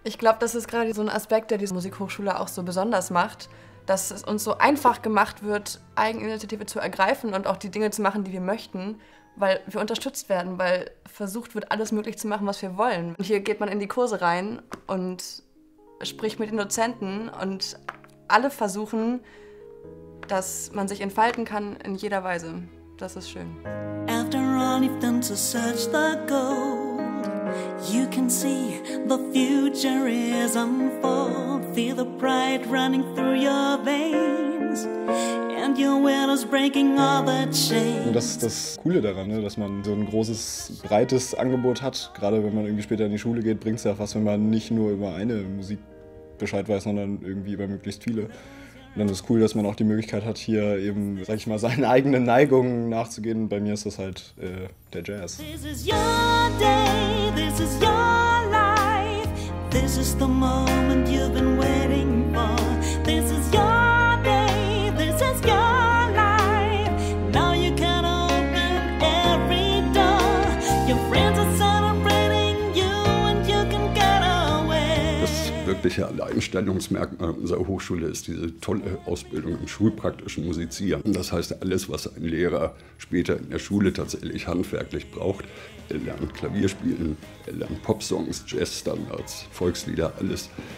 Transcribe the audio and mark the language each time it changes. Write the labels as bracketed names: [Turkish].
[German] Ich glaube, das ist gerade so ein Aspekt, der diese Musikhochschule auch so besonders macht, dass es uns so einfach gemacht wird, Eigeninitiative zu ergreifen und auch die Dinge zu machen, die wir möchten, weil wir unterstützt werden, weil versucht wird, alles möglich zu machen, was wir wollen. Und hier geht man in die Kurse rein und spricht mit den Dozenten und alle versuchen, dass man sich entfalten kann in jeder Weise. Das ist schön. [English] After all you've done to search the gold, you can see the future is unfold. Feel the pride running through your veins and your will is breaking all the chains. [German] Und das ist das Coole daran, ne? Dass man so ein großes, breites Angebot hat. Gerade wenn man irgendwie später in die Schule geht, bringt es ja auch was, wenn man nicht nur über eine Musik Bescheid weiß, sondern irgendwie über möglichst viele. Und dann ist es cool, dass man auch die Möglichkeit hat, hier eben, sag ich mal, seinen eigenen Neigungen nachzugehen. Bei mir ist das halt der Jazz. [English] This is your day, this is your life. This is the moment you've been waiting for. This is your day, this is your life. Now you can open every door. Your friends are celebrating you and you can get away. [German] wirkliche Alleinstellungsmerkmal unserer Hochschule ist diese tolle Ausbildung im schulpraktischen Musizieren. Das heißt, alles, was ein Lehrer später in der Schule tatsächlich handwerklich braucht, er lernt Klavierspielen, er lernt Popsongs, Jazzstandards, Volkslieder, alles.